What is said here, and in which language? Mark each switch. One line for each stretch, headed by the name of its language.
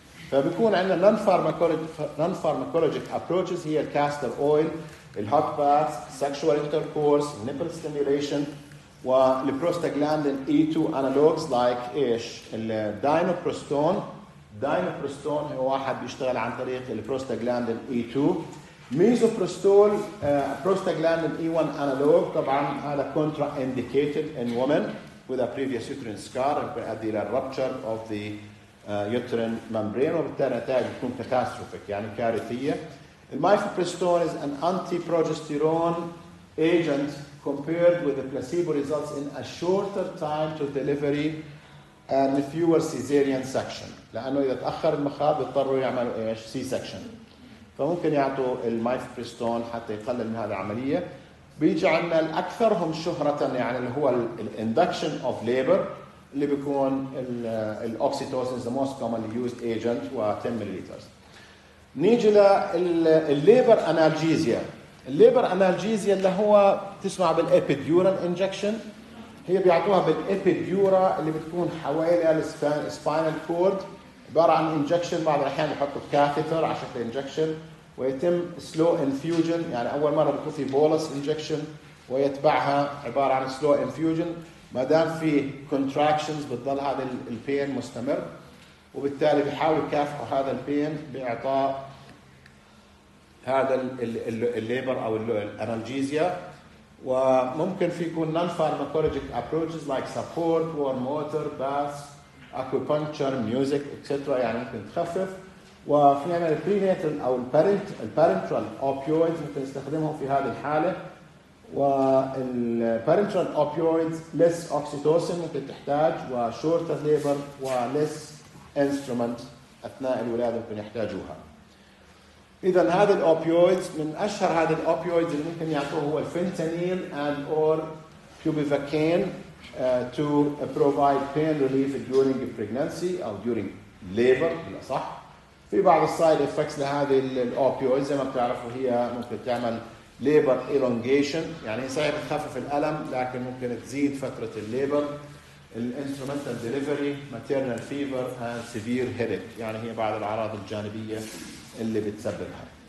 Arabic: فبيكون عندنا
English: non-pharmacologic approaches
Arabic: هي الكاستر أويل، الهوت باث،
English: sexual intercourse، nipple stimulation،
Arabic: والبروستاجلاندين E2
English: analogs like
Arabic: إيش؟ الدينوبروستون. دينوبروستون هو واحد بيشتغل عن طريق البروستاجلاندين E2. ميزوبروستول، بروستاجلاندين E1 analog. طبعا هذا
English: contraindicated in women with a previous uterine scar
Arabic: بيؤدي إلى
English: rupture of the uterine membrane
Arabic: وبالتالي نتائج تكون catastrophic يعني كارثية.
English: Mifepristone is an anti-progesterone agent compared with the placebo results in a shorter time to delivery and fewer cesarean section.
Arabic: لأنه إذا تأخر المخاض بيضطروا يعملوا إيش؟ C-section. فممكن يعطوا Mifepristone حتى يقلل من هذه العملية. بيجي عنا الأكثرهم شهرة يعني اللي هو الinduction of labor اللي بيكون الأوكسيتوسين
English: is the most commonly used agent
Arabic: و 10 ملليترز. نيجي للليبر أنالجيزيا. الليبر أنالجيزيا اللي هو تسمع بالإبيديورال إنجكشن، هي بيعطوها بالإبيديورا اللي بتكون حوالي السبينال كورد، عبارة عن إنجكشن. بعض الأحيان يحطوا كاثيتر عشان الإنجكشن ويتم
English: slow infusion،
Arabic: يعني أول مرة بيكون في بولس إنجكشن ويتبعها عبارة عن slow infusion. ما دام في contractions بتضل هذا البين مستمر، وبالتالي بيحاول يكافح هذا البين بإعطاء هذا الليبر أو الأنالجيزيا. وممكن في يكون
English: non-pharmacologic approaches like support, warm water, baths, acupuncture, music, etc.
Arabic: يعني ممكن تخفف. وفي عمل prenatal أو parenteral opioids ممكن نستخدمهم في هذه الحالة.
English: والparenteral opioids less oxytocin
Arabic: ممكن تحتاج
English: وshorter labor وless instrument
Arabic: أثناء الولادة ممكن يحتاجوها.
English: إذا هذا الopioids من أشهر هذا الopioids
Arabic: اللي ممكن يعطوه هو
English: fentanyl and or bupivacaine to provide pain relief during pregnancy أو during labor
Arabic: بالأصح. في بعض السايد افكتس لهذه الاوبيويد زي ما بتعرفوا هي ممكن تعمل ليبر الونجيشن يعني هي بتخفف الالم لكن ممكن تزيد فتره الليبر الانسترومنتال ديليفري ماتيرنال فيفر اند سيفير هيدك يعني هي بعض الاعراض الجانبيه اللي بتسببها